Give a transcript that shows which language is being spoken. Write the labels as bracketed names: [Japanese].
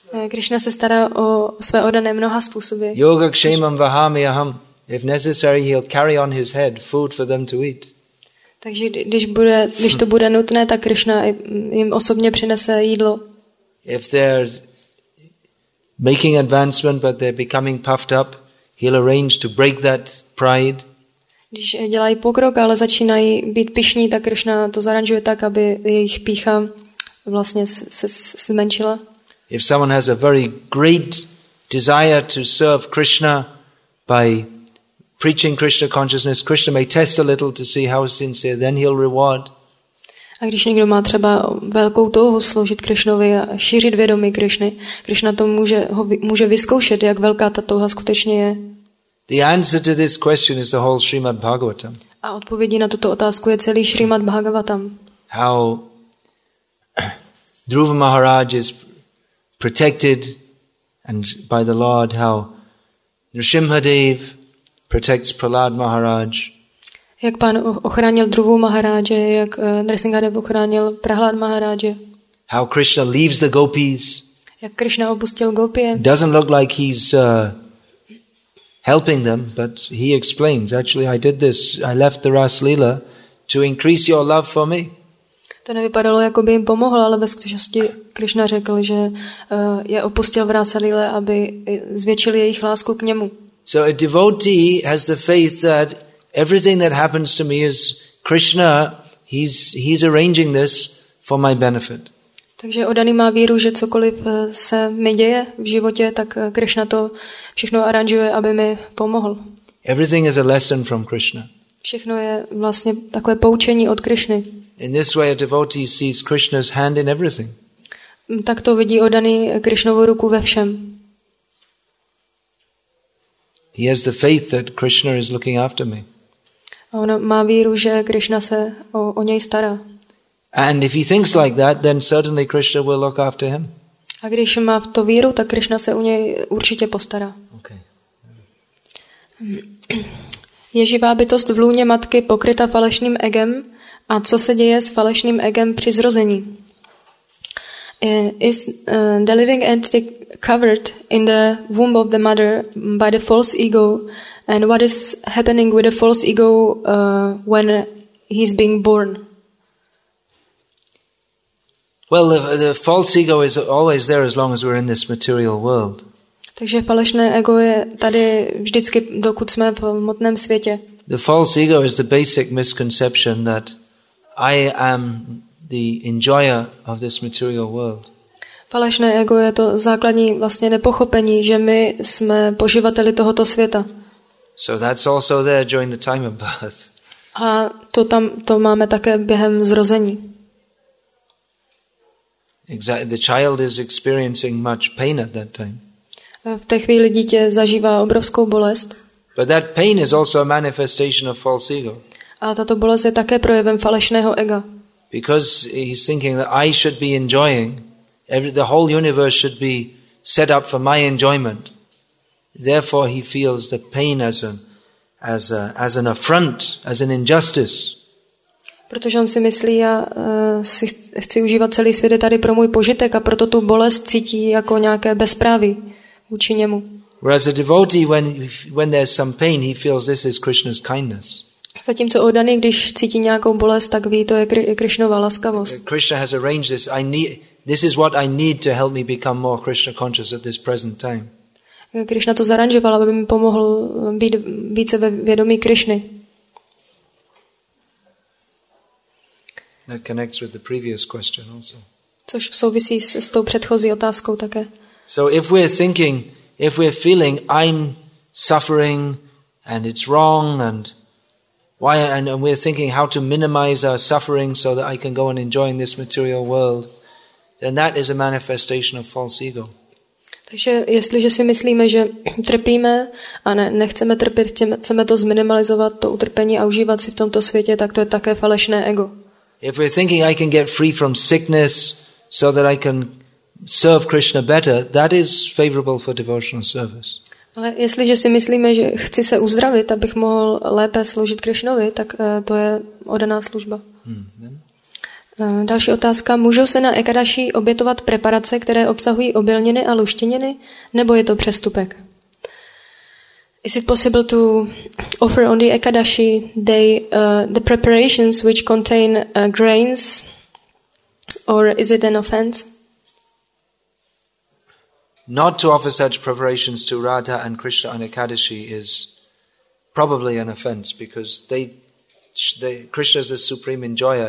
[Czech] Krishna se stará o své oddané mnoha způsoby. [Sanskrit] Yoga kshemam vahami aham. [English] If necessary, he'll carry on his head food for them to eat. [Czech] Takže když to bude nutné, tak Krishna jim osobně přinese jídlo. [English] If they're making advancement but they're becoming puffed up, he'll arrange to break that pride. [Czech] Když dělají pokrok, ale začínají být pyšní, tak Krishna to zaranžuje tak, aby jejich pýcha vlastně se zmenšila. [English] If someone has a very great desire to serve Krishna by preaching Krishna consciousness, Krishna may test a little to see how sincere, then he'll reward. [Czech] A když někdo má třeba velkou touhu sloužit Krishnovi a šířit vědomí Krishny, Krishna to může vyzkoušet, jak velká ta touha skutečně je. [English] The answer to this question is the whole Srimad Bhagavatam. [Czech] A odpovědí na tuto otázku je celý Srimad Bhagavatam. [English] How Dhruva Maharaj is protected and by the Lord, how Nrsimhadev protects Prahlad Maharaj. [Czech] Jak pán ochránil Dhruvu Maharaje, jak Nrsimhadev ochránil Prahlad Maharaje. [English] How Krishna leaves the gopis. [Czech] Jak Krishna opustil Gopie. [English] It doesn't look like he's helping them, but he explains, actually I did this, I left the Ras Lila to increase your love for me. [Czech] To nevypadalo, jako by jim pomohl, ale ve skutečnosti Krishna řekl, že je opustil v Rasa Lila, aby zvětšil jejich lásku k němu. [English] So a devotee has the faith that everything that happens to me is Krishna, he's arranging this for my benefit. [Czech] Takže oddaný má víru, že cokoliv se mi děje v životě, tak Krishna to všechno aranžuje, aby mi pomohl. [English] Everything is a lesson from Krishna. [Czech] Všechno je vlastně takové poučení od Krishny. [English] In this way a devotee sees Krishna's hand in everything. [Czech] Tak to vidí oddaný Krishnovu ruku ve všem. [English] He has the faith that Krishna is looking after me. [Czech] A on má víru, že Krishna se o něj stará. [English] And if he thinks like that, then certainly Krishna will look after him. [Czech] A když má v to víru, tak Krishna se o něj určitě postará. [English] Okay. [Czech] Je živá bytost v lůně matky pokryta falešným egem, a co se děje s falešným egem při zrození? [English] Is the living entity covered in the womb of the mother by the false ego, and what is happening with the false ego when he's being born? Well, the false ego is always there as long as we're in this material world. [Czech] Takže falešné ego je tady vždycky, dokud jsme v hmotném světě. [English] The false ego is the basic misconception that I am the enjoyer of this material world. [Czech] Falešné ego je to základní vlastně nepochopení, že my jsme poživateli tohoto světa. [English] So that's also there during the time of birth. [Czech] A to tam to máme také během zrození. [English] Exactly, the child is experiencing much pain at that time. [Czech] V té chvíli dítě zažívá obrovskou bolest. [English] But that pain is also a manifestation of false ego. [Czech] A tato bolest je také projevem falešného ega. [English] Because he's thinking that I should be enjoying, the whole universe should be set up for my enjoyment. Therefore he feels the pain as an affront, as an injustice. [Czech] Protože on si myslí, já si chci užívat celý svět tady pro můj požitek a proto tu bolest cítí jako nějaké bezpráví vůči němu. [English] Whereas a devotee, when there's some pain, he feels this is Krishna's kindness. [Czech] Zatímco oddaný, když cítí nějakou bolest, tak ví, to je Krishnova laskavost. [English] Krishna has arranged this. This is what I need to help me become more Krishna conscious at this present time. [Czech] Krishna to zaranžoval, aby mi pomohl být více ve vědomí Krishny. [English] That connects with the previous question also. [Czech] Což souvisí s tou předchozí otázkou také. [English] So if we're thinking, if we're feeling I'm suffering and it's wrong and why and we're thinking how to minimize our suffering so that I can go on enjoying this material world, then that is a manifestation of false ego. [Czech] Takže jestliže si myslíme, že trpíme a nechceme trpět, chceme to zminimalizovat to utrpení a užívat si v tomto světě, tak to je také falešné ego. [English] If we're thinking I can get free from sickness so that I can serve Krishna better, that is favorable for devotional service. [Czech] Ale jestliže si myslíme, že chci se uzdravit, abych mohl lépe sloužit Krishnovi, tak to je oddaná služba. Další otázka. Můžou se na Ekadaši obětovat preparace, které obsahují obilniny a luštěniny, nebo je to přestupek? [English] Is it possible to offer on the Ekadashi day the preparations which contain grains, or is it an offense? Not to offer such preparations to Radha and Krishna on Ekadashi is probably an offense because Krishna is the supreme enjoyer.